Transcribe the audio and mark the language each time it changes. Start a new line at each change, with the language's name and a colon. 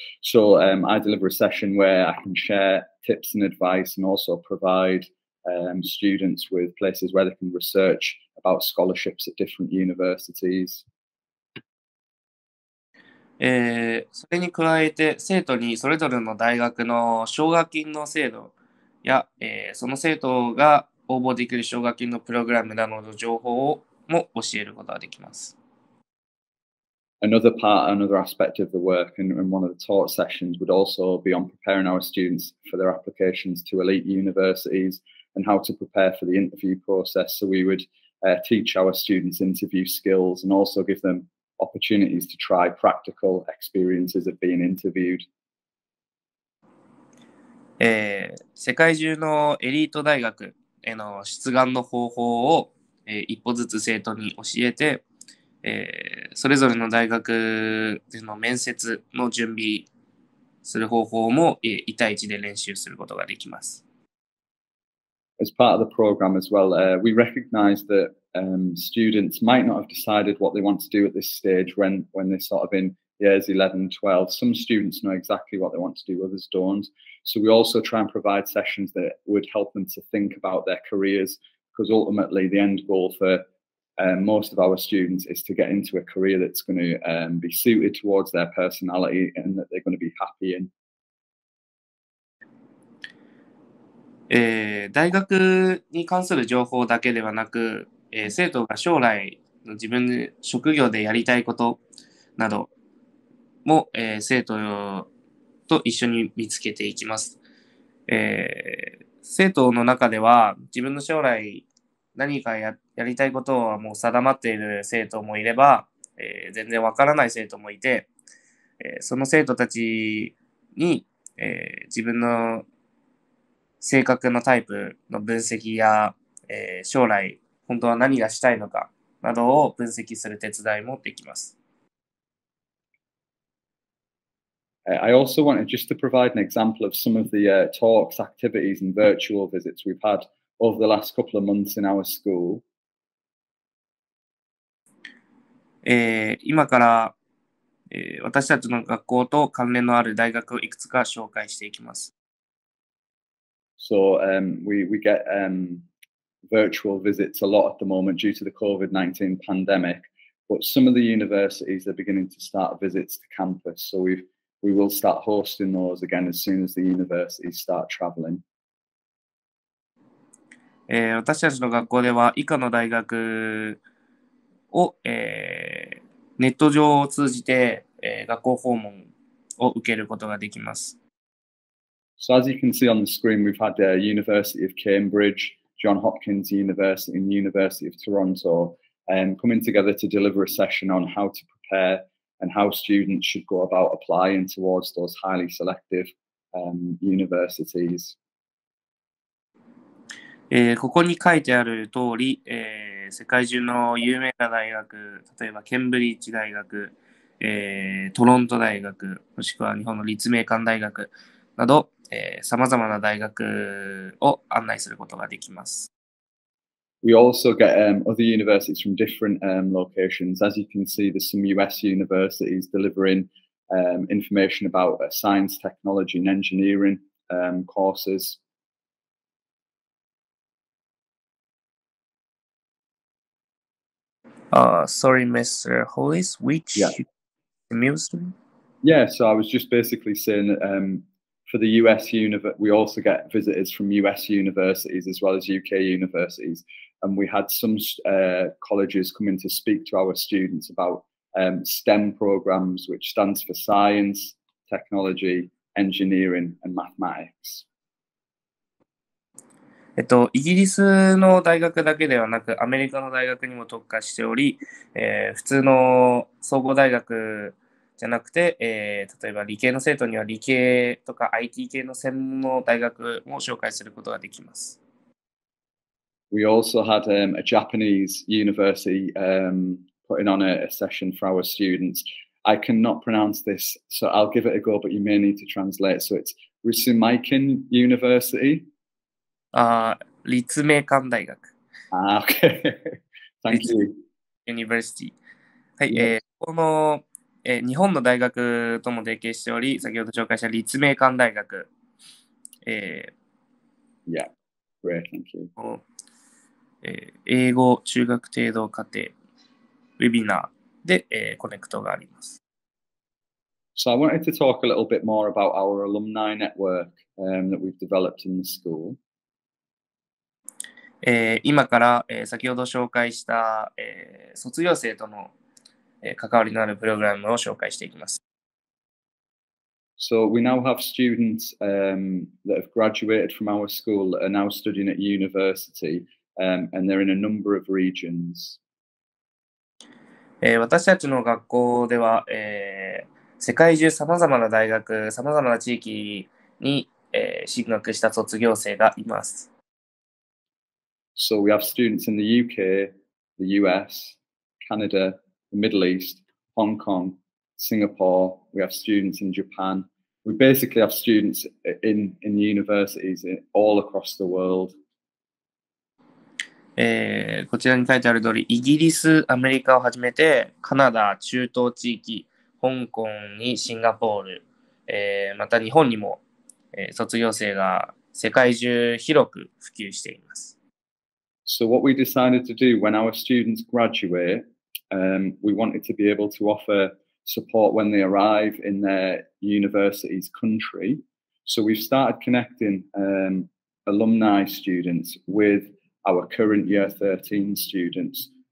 English: So, I deliver a session where I can share tips and advice and also provide, students with places where they can research about scholarships at different universities.
Japanese: それに加えて生徒にそれぞれの大学の奨学金の制度や、その生徒が応募できる奨学金のプログラムなどの情報をも教えることができます。
English: Another part, another aspect of the work and one of the talk sessions would also be on preparing our students for their applications to elite universities and how to prepare for the interview process. So we would, teach our students interview skills and also give themOpportunities to try practical experiences of being interviewed.
Japanese: 世界中のエリート大学への出願の方法を、一歩ずつ生徒に教えて、それぞれの大学での面接の準備する方法も、一対一で練習することができます。
English: as part of the program as well, we recognize that students might not have decided what they want to do at this stage when they're sort of in years 11, 12. Some students know exactly what they want to do, others don't. So we also try and provide sessions that would help them to think about their careers, because ultimately the end goal for most of our students is to get into a career that's going to be suited towards their personality and that they're going to be happy in.
Japanese: 大学に関する情報だけではなく、生徒が将来の自分の職業でやりたいことなども、生徒と一緒に見つけていきます。生徒の中では自分の将来何か やりたいことはもう定まっている生徒もいれば、全然わからない生徒もいて、その生徒たちに、自分の性格のタイプの分析や、将来本当は何がしたいのかなどを分析する手伝いもできます。
English: I also wanted just to provide an example of some of the talks, activities, and virtual visits we've had over the last couple of months in our school.
Japanese: 今から、私たちの学校と関連のある大学をいくつか紹介していきます。
English: So we get virtual visits a lot at the moment due to the COVID-19 pandemic, but some of the universities are beginning to start visits to campus. So we will start hosting those again as soon as the universities start traveling.
Japanese: 私たちの学校では以下の大学を、ネット上を通じて、学校訪問を受けることができます。
English: So as you can see on the screen, we've had the University of Cambridge, John Hopkins University, and University of Toronto coming together to deliver a session on how to prepare and how students should go about applying towards those highly selective universities.
Japanese: ここに書いてある通り、世界中の有名な大学、例えばケンブリッジ大学、トロント大学、もしくは日本の立命館大学など、さまざまな大学を案内することができます。
English: We also get other universities from different locations. As you can see, there's some US universities delivering information about science, technology, and engineering courses. Sorry, Mr. Hollis, which university? Yeah, so I was just basically saying that, for the US we also get visitors from US universities as well as UK universities. And we had some colleges come in to speak to our students about STEM programs, which stands for science, technology, engineering, and mathematics.
Japanese: イギリスの大学だけではなく、アメリカの大学にも特化しており、普通の総合大学じゃなくて、例えば理系の生徒には理系とか IT 系の専門の大学も紹介することができます。
English: We also had a Japanese university putting on a session for our students. I cannot pronounce this, so I'll give it a go, but you may need to translate. So it's Rusumaikin University?
Japanese: 立命館大学。
English: Okay. Thank you. University.
Japanese: はい、この日本の大学とも提携しており、先ほど紹介した立命館大学。
English: Yeah, great, thank you.
Japanese: 英語中学程度課程、ウェビナーで、コネクトがあります。
English: So I wanted to talk a little bit more about our alumni network that we've developed in the school.
Japanese: 今から、先ほど紹介した、卒業生との関わりのあるプログラムを紹介していきます。
English: So we now have students that have graduated from our school that are now studying at university and they're in a number of regions.
Japanese: 私たちの学校では、世界中さまざまな大学、さまざまな地域に、進学した卒業生がいます。
English: So we have students in the UK, the US, Canada,The Middle East, Hong Kong, Singapore, we have students in Japan. We basically have students in the universities all across the world.
Japanese: こちらに書いてある通り、イギリス、アメリカをはじめて、カナダ、中東地域、香港にシンガポール、また日本にも、卒業生が世界中広く普及しています。
English: So what we decided to do when our students graduate, we wanted to be able to offer support when they arrive in their university's country. So we've started connecting, alumni students with our current year 13 students.